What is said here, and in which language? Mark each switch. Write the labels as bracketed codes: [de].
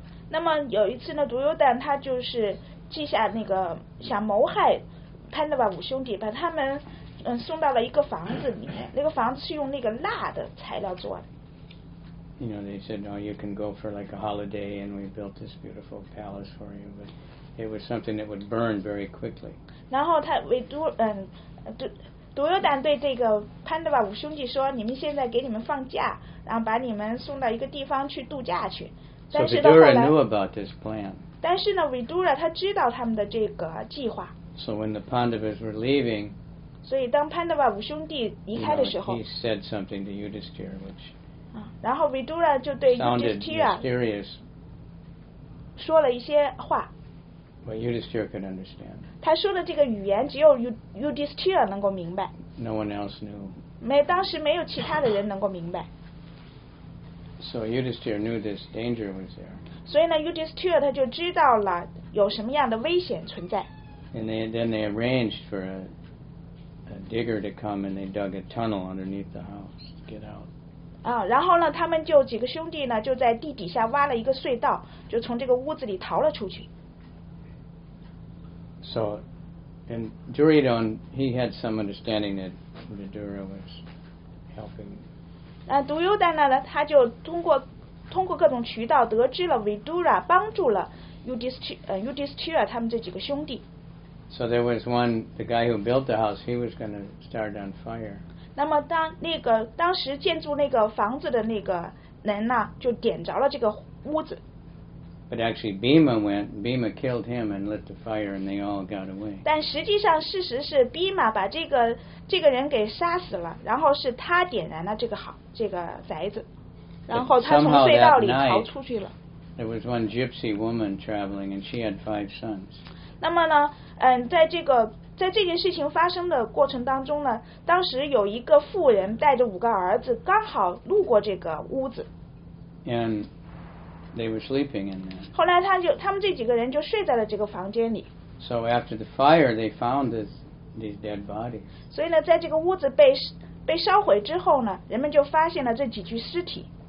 [zh] 那么有一次呢，杜优丹他就是记下那个想谋害潘德瓦五兄弟，把他们送到了一个房子里面，那个房子是用那个蜡的材料做的。 [en] You know, they said, "Oh, you can go for like a holiday, and we built this beautiful palace for you." But it was something that would burn very quickly. [zh] 然后他为杜杜杜优丹对这个潘德瓦五兄弟说：“你们现在给你们放假，然后把你们送到一个地方去度假去。” [en] So Vidura knew about this plan. [zh] 但是呢 Vidura 他知道他们的这个计划。 [en] So when the Pandavas were leaving, [zh] 所以当 Pandava 五兄弟离开的时候 [en] you know, he said something to Yudhisthira, which [zh] 然后 Vidura 就对 Yudhisthira [en] sounded mysterious, [zh] 说了一些话。 [en] But Yudhisthira could understand. [zh] 他说的这个语言只有 Yudhisthira 能够明白。 [en] No one else knew. [zh] 当时没有其他的人能够明白。 [en] So Yudhisthira knew this danger was there. [zh] 所以呢 ,Yudhisthira 他就知道了有什么样的危险存在。 [en] And then they arranged for a digger to come and they dug a tunnel underneath the house to get out. [zh] 然后呢他们就几个兄弟呢就在地底下挖了一个隧道就从这个屋子里逃了出去。 [en] So, and Duryodhana, he had some understanding that Vidura was helping. [zh] 独优丹呢他就通过各种渠道得知了 Vidura 帮助了 Yudhisthira 他们这几个兄弟。 [en] So there was one, the guy who built the house, he was going to start on fire. [zh] 那么当时建筑那个房子的那个人呢就点着了这个屋子。 [en] But actually Bhima went, Bhima killed him and lit the fire and they all got away. [zh] 但实际上事实是 Bhima 把这个人给杀死了然后是他点燃了这个宅子。然后他从隧道里逃出去了。 [en] There was one gypsy woman traveling and she had five sons. [zh] 那么呢在这件事情发生的过程当中呢当时有一个妇人带着五个儿子刚好路过这个屋子。 [en] And they were sleeping in there. [zh] 后来他们这几个人就睡在了这个房间里。 [en] So after the fire, they found these dead bodies. [zh] 所以呢在这个屋子被烧毁之后呢人们就发现了这几具尸体。